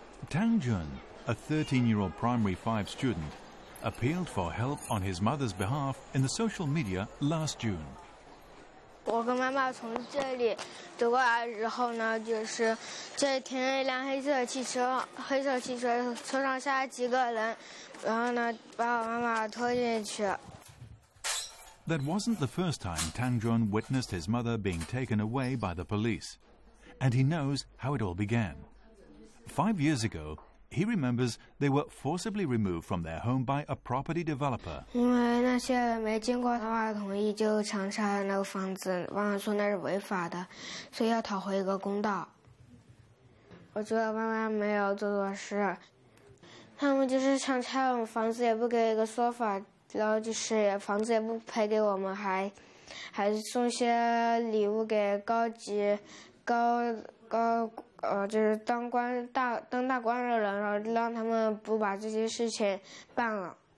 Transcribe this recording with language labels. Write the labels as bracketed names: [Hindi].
[English] Tang Jun, a 13-year-old primary 5 student, appealed for help on his mother's behalf in the social media last June. [Chinese] 我跟妈妈从这里走过来之后呢，就是这里停了一辆黑色汽车，车上下来几个人，然后呢把我妈妈拖进去。 [English] That wasn't the first time Tang Jun witnessed his mother being taken away by the police, and he knows how it all began. 5 years ago, he remembers they were forcibly removed from their home by a property developer. [Chinese] 因为那些人没经过他爸的同意就强拆了那个房子，妈妈说那是违法的，所以要讨回一个公道。我觉得妈妈没有做错事，他们就是强拆我们房子，也不给一个说法，然后就是房子也不赔给我们，还送些礼物给当大官的人，然后让他们不把这些事情办了。